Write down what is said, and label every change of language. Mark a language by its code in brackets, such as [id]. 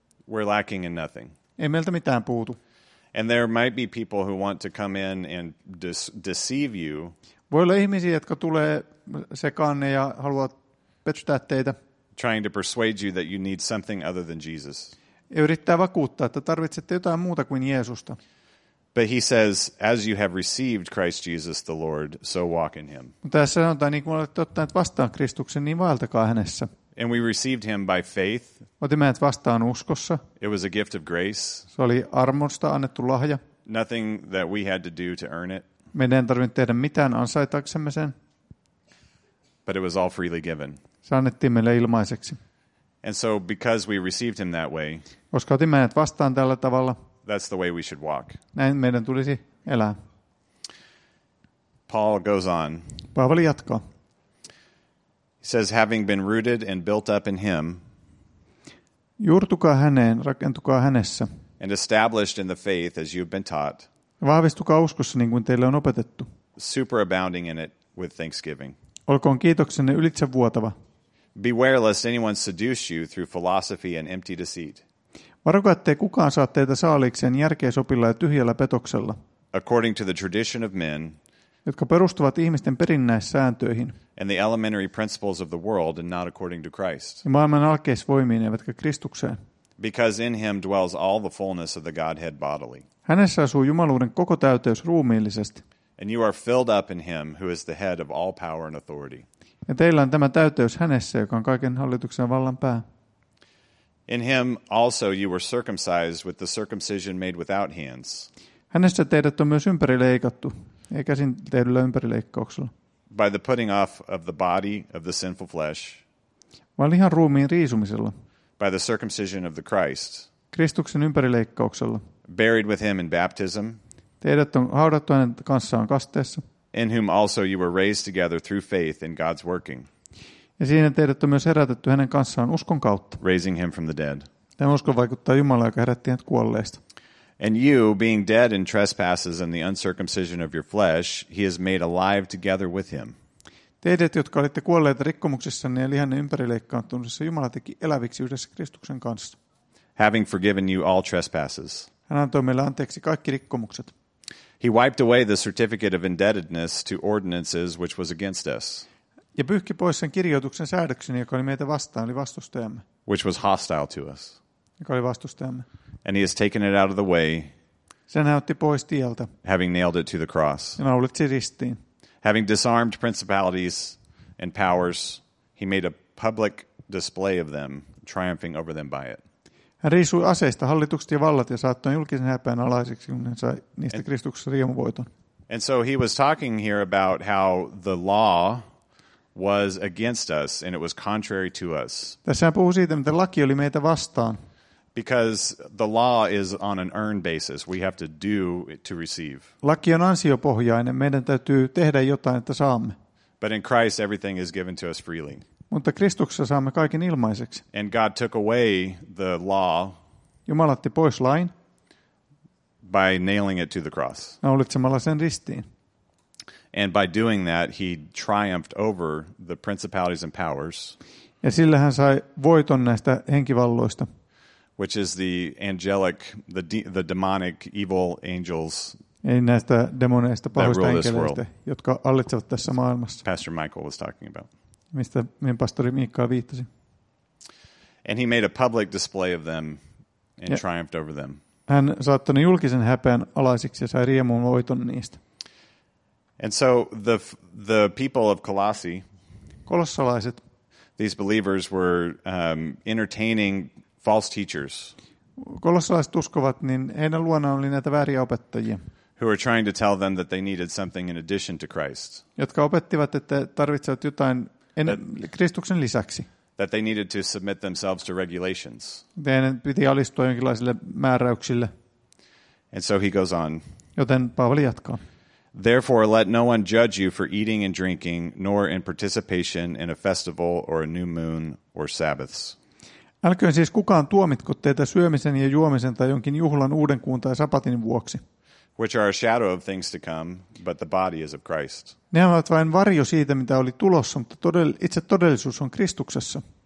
[en] We're lacking in nothing. [fi] Ei meiltä mitään puutu. [en] And there might be people who want to come in and deceive you. [fi] Voi olla ihmisiä, jotka tulee sekaan ja haluavat pettää teitä. [en] Trying to persuade you that you need something other than Jesus. [fi] Ja yrittää vakuuttaa, että tarvitsette jotain muuta kuin Jeesusta. [en] But he says, as you have received Christ Jesus the Lord, so walk in him. [fi] Mutta tässä sanotaan, niin kuin olette ottaneet vastaan Kristuksen, niin vaeltakaa hänessä. [en] And we received him by faith. [fi] Otimme hänet vastaan uskossa. [en] It was a gift of grace. [fi] Se oli armosta annettu lahja. [en] Nothing that we had to do to earn it. [fi] Meidän ei tarvinnut tehdä mitään ansaitaksemme sen. [en] But it was all freely given. [fi] Se annettiin meille ilmaiseksi. [en] And so because we received him that way. [fi] Koska otimme hänet vastaan tällä tavalla. [en] that's the way we should walk. [fi] Näin meidän tulisi elää. [en] Paul goes on. [fi] Paavali jatkaa. [en] He says, having been rooted and built up in him, [fi] juurtukaa häneen, rakentukaa hänessä, [en] and established in the faith as you've been taught, [fi] vahvistukaa uskossa niin kuin teille on opetettu, [en] superabounding in it with thanksgiving. [fi] Olkoon kiitoksenne ylitse vuotava. [en] Beware lest anyone seduce you through philosophy and empty deceit. [fi] Varokaa, ettei kukaan saa teitä saalikseen järkeä sopilla ja tyhjällä petoksella. [en] According to the tradition of men, [fi] jotka perustuvat ihmisten perinnäissääntöihin. [en] And the elementary principles of the world and not according to Christ. [fi] Ja maailman alkeisvoimiin eivätkä Kristukseen. [en] Because in him dwells all the fullness of the Godhead bodily. [fi] Hänessä asuu jumaluuden koko täyteys ruumiillisesti. [en] And you are filled up in him who is the head of all power and authority. [fi] Ja teillä on tämä täyteys hänessä, joka on kaiken hallituksen vallan pää. [en] In him also you were circumcised with the circumcision made without hands. [fi] Hänessä teidät on myös ympärileikattu, ei käsin tehdyllä ympärileikkauksella. [en] By the putting off of the body of the sinful flesh. [fi] Vaan lihan ruumiin riisumisella. [en] By the circumcision of the Christ. [fi] Kristuksen ympärileikkauksella. [en] Buried with him in baptism. [fi] Teidät on haudattu hänen kanssaan kasteessa. [en] In whom also you were raised together through faith in God's working. [fi] Ja siinä teidät on myös herätetty hänen kanssaan uskon kautta. [en] Raising him from the dead. [fi] Tämä usko vaikuttaa Jumalaa, joka herätti hänet kuolleista. [en] And you, being dead in trespasses and the uncircumcision of your flesh, he has made alive together with him. [fi] Teidät, jotka olitte kuolleet rikkomuksissanne ja lihanne ympärileikkaantumisessa, Jumala teki eläviksi yhdessä Kristuksen kanssa. [en] Having forgiven you all trespasses. [fi] Hän antoi meille anteeksi kaikki rikkomukset. [en] He wiped away the certificate of indebtedness to ordinances which was against us. [fi] Ja pyyhki pois sen kirjoituksen säädöksen, joka oli meitä vastaan, eli vastustajamme. [en] Which was hostile to us. [fi] Joka oli vastustajamme. [en] And he has taken it out of the way. [fi] Sen hän otti pois tieltä. [en] Having nailed it to the cross. [fi] Ja naulitsi ristiin. [en] Having disarmed principalities and powers, he made a public display of them, triumphing over them by it. [fi] Hän riisui aseista hallitukset ja vallat ja saattoi julkisen häpeän alaiseksi, kun hän sai niistä Kristuksessa riemuvoiton. [en] And so he was talking here about how the law was against us and it was contrary to us. [fi] Tässä hän puhui siitä, että laki oli meitä vastaan. [en] Because the law is on an earned basis. We have to do it to receive. [fi] Laki on ansiopohjainen. Meidän täytyy tehdä jotain, että saamme. [en] But in Christ everything is given to us freely. [fi] Mutta Kristuksessa saamme kaiken ilmaiseksi. [en] And God took away the law. [fi] Jumala otti pois lain. [en] By nailing it to the cross. [fi] Naulitsemalla sen ristiin. [en] And by doing that he triumphed over the principalities and powers. [fi] Ja sillä hän sai voiton näistä henkivalloista. [en] Which is the angelic, the demonic evil angels. [fi] Eli näistä demoneista, pahoista henkilöistä, jotka hallitsevat tässä maailmassa. [en] Pastor Michael was talking about. [fi] Mistä meidän pastori Miikkaa viittasi. [en] And he made a public display of them and [fi] ja [en] triumphed over them. [fi] Hän saattoi julkisen häpeän alaisiksi ja sai riemun voiton niistä. [en] And so the people of Colossae, [fi] kolossalaiset, [en] these believers were entertaining false teachers. [fi] Kolossalaiset uskovat, niin heidän luonaan oli näitä vääriä opettajia. [en] Who were trying to tell them that they needed something in addition to Christ. [fi] Jotka opettivat, että tarvitsevat jotain Kristuksen lisäksi. [en] That they needed to submit themselves to regulations. [fi] Heidän piti alistua jonkinlaisille määräyksille. [en] And so he goes on. [fi] Joten Paavali jatkaa. [en] Therefore, let no one judge you for eating and drinking, nor in participation in a festival or a new moon or Sabbaths. [fi] Älköön siis kukaan tuomitko teitä syömisen ja juomisen tai jonkin juhlan uudenkuun tai sapatin vuoksi. [en] Which are a shadow of things to come, but the body is of Christ. [fi] Ne ovat vain varjo siitä, mitä oli tulossa, mutta itse todellisuus on Kristuksessa.